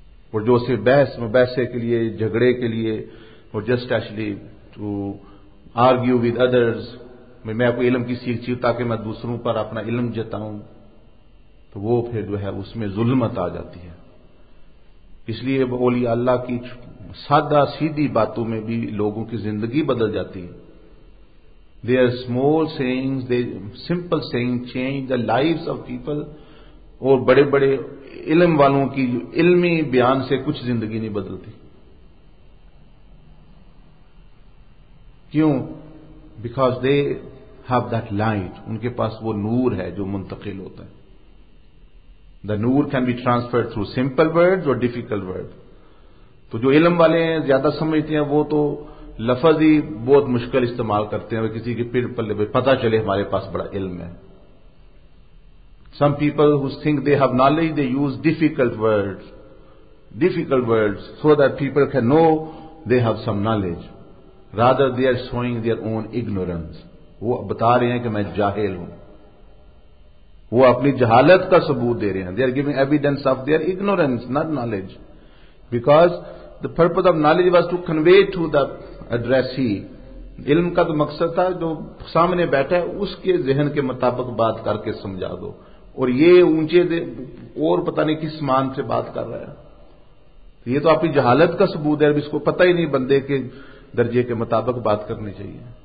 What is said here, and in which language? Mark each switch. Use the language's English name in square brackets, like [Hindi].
[Urdu] اور جو صرف بحثے کے لیے, جھگڑے کے لیے, اور [English] just actually to argue with others, [Urdu] میں کوئی علم کی سیکھ چی تاکہ میں دوسروں پر اپنا علم جتاؤں, تو وہ پھر جو ہے اس میں ظلمت آ جاتی ہے. اس لیے اولیاء اللہ کی سادہ سیدھی باتوں میں بھی لوگوں کی زندگی بدل جاتی ہے. [English] Their small things, they simple thing change the life of people. [Urdu] اور بڑے بڑے علم والوں کی علمی بیان سے کچھ زندگی نہیں بدلتی. کیوں؟ [English] because they have that light, [Urdu] ان کے پاس وہ نور ہے جو منتقل ہوتا ہے. [English] The نور can be transferred through simple word اور difficult word. [Urdu] تو جو علم والے ہیں زیادہ سمجھتے ہیں وہ تو لفظ ہی بہت مشکل استعمال کرتے ہیں, کسی کے پیر پلے پہ پتا چلے ہمارے پاس بڑا علم ہے. [English] Some people who think they have knowledge they use difficult word difficult words so that people can know they have some knowledge. Rather, they are showing their own ignorance. [Urdu] وہ بتا رہے ہیں کہ میں جاہل ہوں. وہ اپنی جہالت کا ثبوت دے رہے ہیں. [English] They are giving evidence of their ignorance, not knowledge. Because the purpose of knowledge was to convey to the addressee. [Urdu] علم کا تو مقصد تھا جو سامنے بیٹھا ہے اس کے ذہن کے مطابق بات کر کے سمجھا دو. اور یہ اونچے دے اور پتہ نہیں کس مان سے بات کر رہا ہے. یہ تو اپنی جہالت کا ثبوت ہے. اب اس کو پتہ ہی نہیں بندے کے درجے کے مطابق بات کرنی چاہیے.